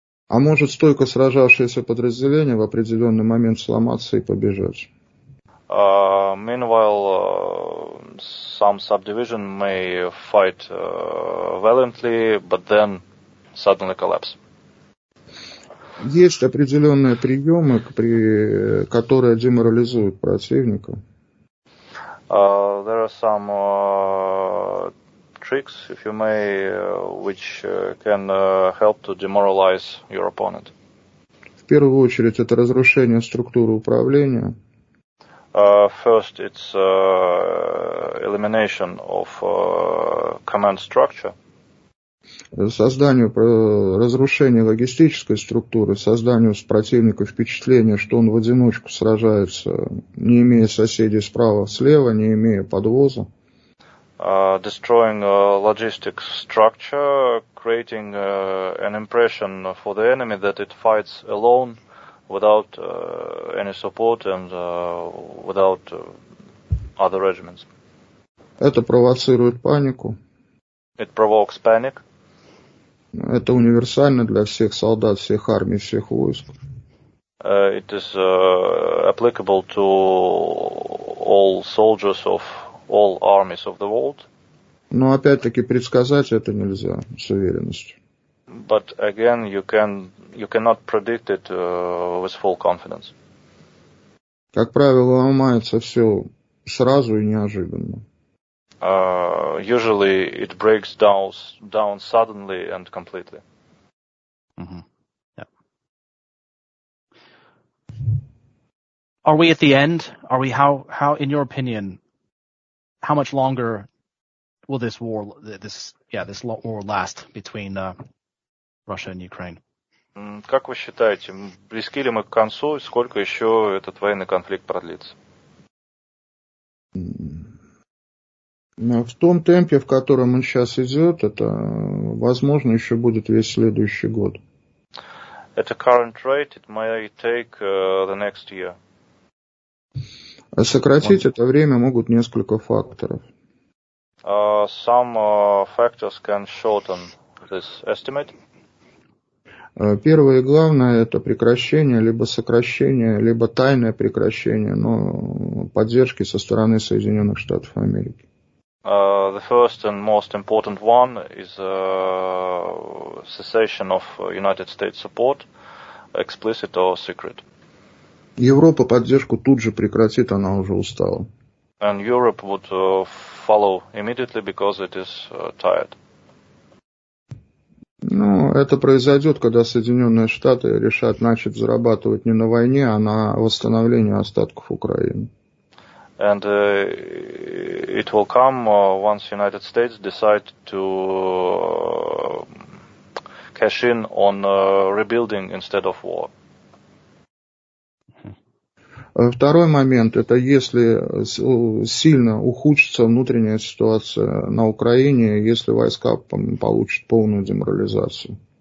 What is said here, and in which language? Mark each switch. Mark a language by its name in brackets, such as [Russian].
[Russian] А может стойко сражавшееся подразделение в определенный момент сломаться и побежать? [English] Meanwhile, some subdivision may fight valiantly, but then suddenly collapse. [Russian] Есть определенные приемы, которые деморализуют противника. [English] There are some tricks, if you may, which can help to demoralize your opponent. [Russian] В первую очередь, это разрушение структуры управления. [English] First, it's elimination of command structure. [Russian] Созданию разрушения логистической структуры, созданию с противника впечатления, что он в одиночку сражается, не имея соседей справа, слева, не имея подвоза. [English] Destroying logistic structure, creating an impression for the enemy that it fights alone, without any support and without other regiments. [Russian] Это провоцирует панику. [English] It provokes panic. [Russian] Это универсально для всех солдат, всех армий, всех войск. [English] It is applicable to all soldiers of all armies of the world. [Russian] Но опять-таки предсказать это нельзя с уверенностью. [English] But again, you cannot predict it with full confidence. [Russian] Как правило, ломается все сразу и неожиданно. [English] Usually it breaks down suddenly and completely. Mm-hmm. Yeah. Are we at the end? Are we how in your opinion, how much longer will this war last between Russia and Ukraine? [Russian] Как вы считаете, близки ли мы к концу, и сколько еще этот военный конфликт продлится? В том темпе, в котором он сейчас идет, это, возможно, еще будет весь следующий год. [English] At the current rate, it may take the next year. [Russian] Сократить это время могут несколько факторов. [English] Some factors can shorten this estimate. [Russian] Первое и главное – это прекращение, либо сокращение, либо тайное прекращение, но поддержки со стороны Соединенных Штатов Америки. [English] The first and most important one is cessation of United States support, explicit or secret. [Russian] Европа поддержку тут же прекратит, она уже устала. [English] And Europe would follow immediately because it is tired. [Russian] Ну, это произойдет, когда Соединенные Штаты решат начать зарабатывать не на войне, а на восстановлении остатков Украины. [English] And it will come once the United States decide to cash in on rebuilding instead of war. [Russian] Второй момент – это если сильно ухудшится внутренняя ситуация на Украине, если войска получат полную деморализацию.